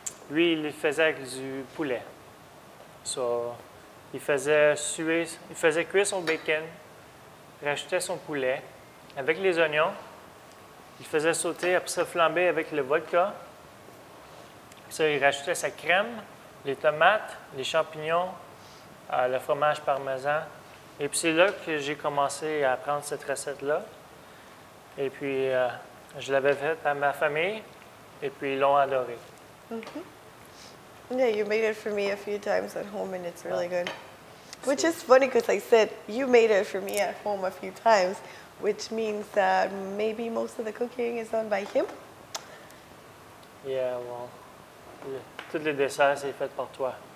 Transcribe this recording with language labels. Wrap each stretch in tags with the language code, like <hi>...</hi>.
<fr>Lui, il faisait avec du poulet. So, Il faisait cuire son bacon, rajoutait son poulet avec les oignons, il faisait sauter, après ça flamber avec le vodka, après ça il rajoutait sa crème, les tomates, les champignons, le fromage parmesan. Et puis c'est là que j'ai commencé à apprendre cette recette-là. Et puis je l'avais faite à ma famille et puis ils l'ont adoré. Mm-hmm.</fr> <en>Yeah, you made it for me a few times at home and it's really good. Which is funny because I said you made it for me at home a few times, which means that maybe most of the cooking is done by him. Yeah, well,</en> <fr>tous les desserts c'est fait par toi.</fr>